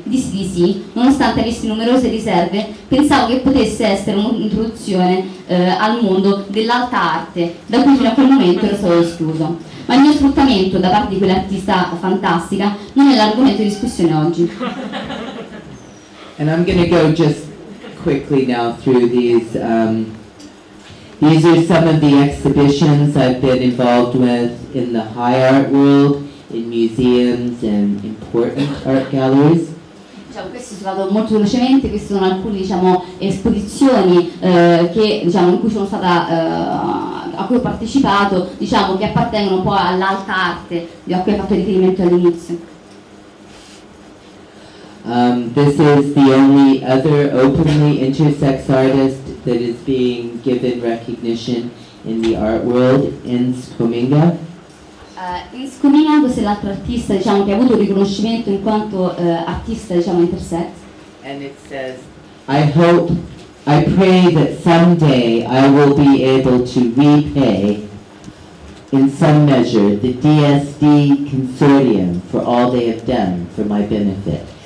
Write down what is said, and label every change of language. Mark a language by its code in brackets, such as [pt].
[it] Dissi di sì, nonostante avessi numerose riserve, pensavo che potesse essere un'introduzione al mondo dell'alta arte, da cui fino a quel momento ero stato escluso. Ma il mio sfruttamento da parte di quell'artista fantastica non è l'argomento di discussione oggi. [en] And I'm gonna go just quickly now through these. These are some of the exhibitions I've been involved with in the high art world, in museums and important art galleries. [it] Diciamo, questo è stato molto velocemente, queste sono alcune, diciamo, esposizioni che, diciamo, in cui sono stata a cui ho partecipato, diciamo, che appartengono poi all'alta arte a cui ho fatto riferimento all'inizio. [en] This is the only other openly intersex artist that is being given recognition in the art world, Ins Kuminga. [it] Ins Kuminga, questa è l'altra artista, diciamo, che ha avuto riconoscimento in quanto artista, diciamo, intersex. [en] And it says, I hope, I pray that someday I will be able to repay in some measure the DSD consortium for all they have done for my benefit.